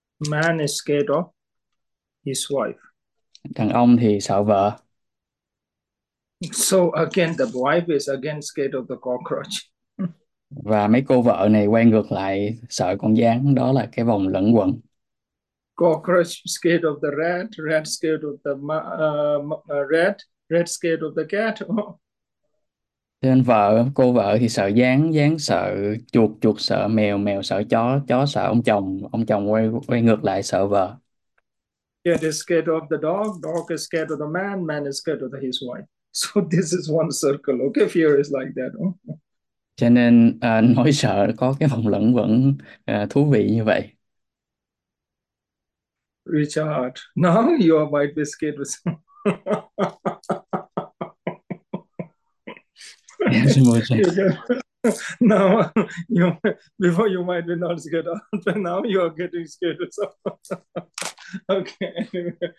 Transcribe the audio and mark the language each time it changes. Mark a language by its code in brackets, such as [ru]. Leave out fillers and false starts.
[en] Man is scared of his wife. [vi] Đàn ông thì sợ vợ. [en] So again, the wife is again scared of the cockroach. [vi] Và mấy cô vợ này quay ngược lại sợ con gián, đó là cái vòng luẩn quẩn. [en] Cockroach scared of the rat, rat scared of the rat, rat scared of the cat. [vi] Cho nên vợ, cô vợ thì sợ gián, gián sợ chuột, chuột sợ mèo, mèo sợ chó, chó sợ ông chồng quay quay ngược lại sợ vợ. [en] Cat is scared of the dog, dog is scared of the man, man is scared of his wife. So this is one circle. Okay, fear is like that. [vi] Cho nên nỗi sợ có cái vòng luẩn quẩn thú vị như vậy. [en] Richard, now you might be scared with Yes, Moshe. Now you, before you might be not scared, but now you are getting scared with someone. Okay, anyway.